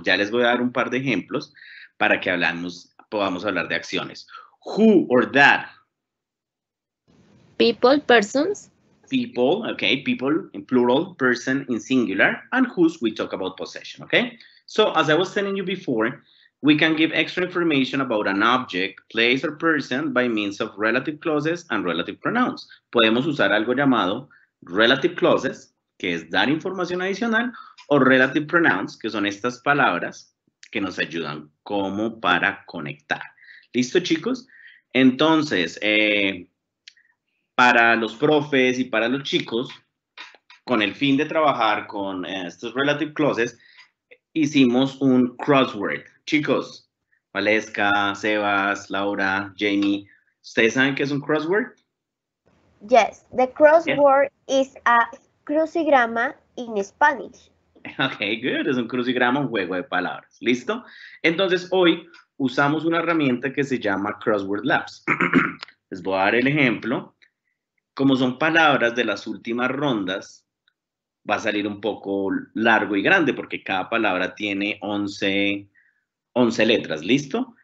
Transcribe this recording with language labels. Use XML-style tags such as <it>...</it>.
<es>Ya les voy a dar un par de ejemplos para que podamos hablar de acciones.</es> <en>Who or that. People, persons. People, okay, people in plural, person in singular, and whose we talk about possession, okay? So, as I was telling you before, we can give extra information about an object, place, or person by means of relative clauses and relative pronouns.</en> <es>Podemos usar algo llamado relative clauses, que es dar información adicional, o relative pronouns, que son estas palabras que nos ayudan como para conectar. ¿Listo, chicos? Entonces, para los profes y para los chicos, con el fin de trabajar con estos relative clauses, hicimos un crossword. Chicos, Valesca, Sebas, Laura, Jamie, ¿ustedes saben qué es un crossword?</es> <en>Yes, the crossword is a crucigrama in Spanish. Okay, good.</en> <es>Es un crucigrama, un juego de palabras. ¿Listo? Entonces, hoy usamos una herramienta que se llama Crossword Labs. Les voy a dar el ejemplo. Como son palabras de las últimas rondas, va a salir un poco largo y grande porque cada palabra tiene 11 letras, ¿listo?</es>